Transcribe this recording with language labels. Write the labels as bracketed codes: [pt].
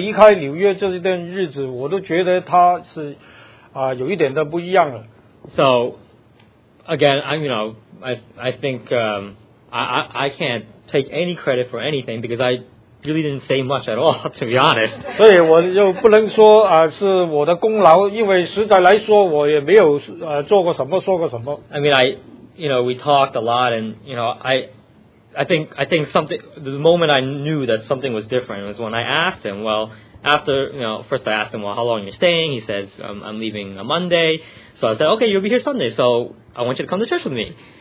[zh] 当我的爸爸他来到纽约，直到这一段日子，直到他离开纽约这一段日子， 我都觉得他是 有一点的不一样了。So [en] again, I can't take any credit for anything because I really didn't say much at all, to be honest. [zh] 所以我又不能说 是我的功劳，因为实在来说我也没有做过什么说过什么。 [en] I mean, we talked a lot, and you know, I think something. The moment I knew that something was different was when I asked him. Well, after first I asked him, well, how long are you staying? He says, I'm leaving on Monday. So I said, okay, you'll be here Sunday. So I want you to come to church with me.